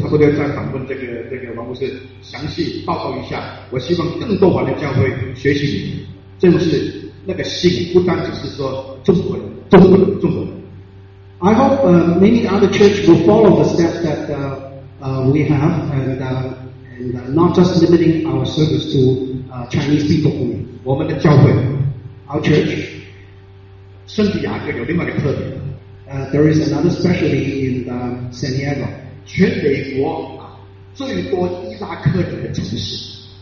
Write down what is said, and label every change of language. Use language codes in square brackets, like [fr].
[zh] 差不多要再访问这个王牧师，详细报告一下。我希望更多华人教会学习你，正是那个心，不单只是说中国人，中国人，中国人。 [en] I hope many other church will follow the steps that we have, and not just limiting our service to Chinese people only. [zh] 我们的教会 [en] ，our church， [zh] 圣地亚哥有另外的特点。 [en] There is another specialty in San Diego. [zh] 全美国最多伊拉克人的城市。